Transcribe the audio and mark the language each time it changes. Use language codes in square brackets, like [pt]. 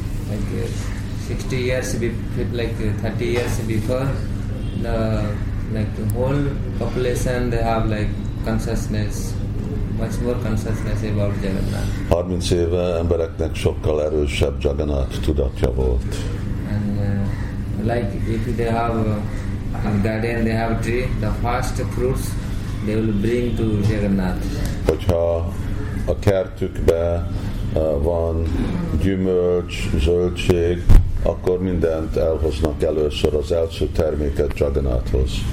[en] Like 60 years before, like 30 years before, the like the whole population they have like consciousness, much more consciousness about Jagannath. [hu] 30 éve embereknek sokkal erősebb Jagannath tudatja volt. [en] And like if they have a garden, they have a tree, the first fruits they will bring to Jagannath. [hu] Hogyha a kertükbe van gyümölcs, zöldség, akkor mindent elhoznak először az első terméket Jagannathhoz.